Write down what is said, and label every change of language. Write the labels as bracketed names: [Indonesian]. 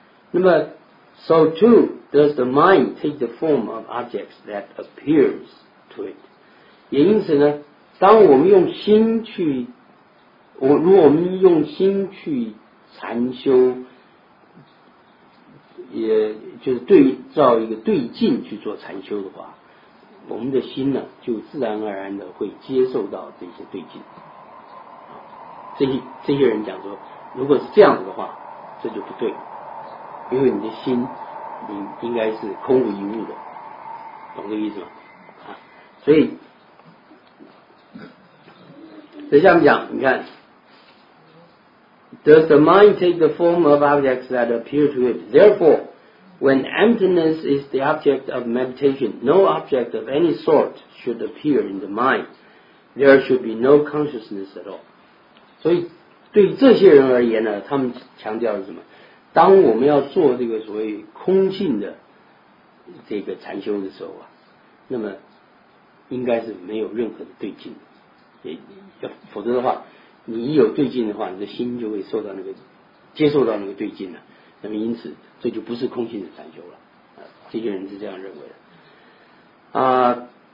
[English] 那么 ，so too does the mind take the form of objects that appears to it。 [Chinese] 也因此呢，当我们用心去，如果我们用心去禅修，也就是对照一个对境去做禅修的话，我们的心呢，就自然而然的会接受到这些对境。这些人讲说，如果是这样子的话，这就不对。因为你的心，你应该是空无一物的，懂这个意思吗？啊，所以，在下面讲，你看 [English] ，Does the mind take the form of objects that appear to it? Therefore, when emptiness is the object of meditation, no object of any sort should appear in the mind. There should be no consciousness at all. [Chinese] 所以，对于这些人而言呢，他们强调是什么？当我们要做这个所谓空性的这个禅修的时候啊，那么应该是没有任何的对境，也否则的话，你一有对境的话，你的心就会受到那个接受到那个对境了，那么因此这就不是空性的禅修了啊，这些人是这样认为的啊。